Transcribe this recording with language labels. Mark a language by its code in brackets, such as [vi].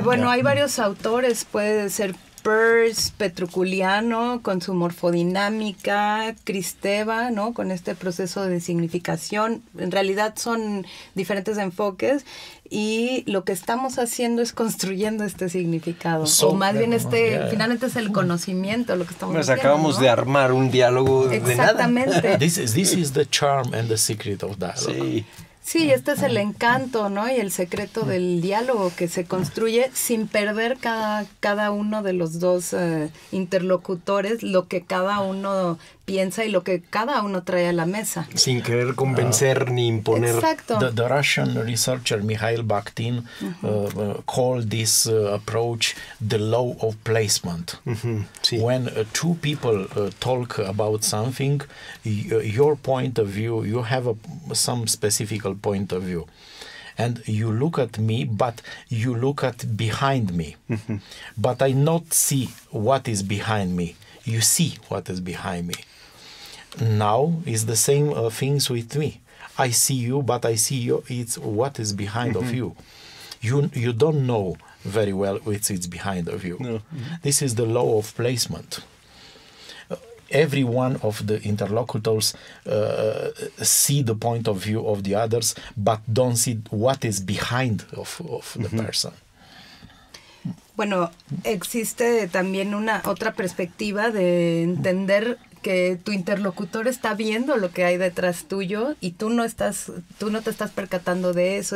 [es] Bueno, hay varios autores, puede ser Peirce, Petru Culianu con su morfodinámica, Kristeva, ¿no? Con este proceso de significación. En realidad son diferentes enfoques y lo que estamos haciendo es construyendo este significado. So, o más bien este, finalmente es el conocimiento lo que estamos haciendo. Pues acabamos de armar un diálogo de nada. Exactamente. [en] This is the charm and the secret of dialogue. [es] Sí. Sí, este es el encanto, ¿no? Y el secreto del diálogo que se construye sin perder cada uno de los dos interlocutores lo que cada uno piensa y lo que cada uno trae a la mesa. Sin querer convencer ni imponer. Exacto. [en] The Russian researcher Mikhail Bakhtin called this approach the law of placement. Sí. When two people talk about something, your point of view, you have some specific point of view. And you look at me, but you look at behind me. But I not see what is behind me. You see what is behind me. Now is the same things with me. I see you, but I see you. It's what is behind of you. You don't know very well what's behind of you. No. This is the law of placement. Every one of the interlocutors see the point of view of the others, but don't see what is behind of the person. [es] Bueno, existe también una otra perspectiva de entender que tu interlocutor está viendo lo que hay detrás tuyo y tú no te estás percatando de eso.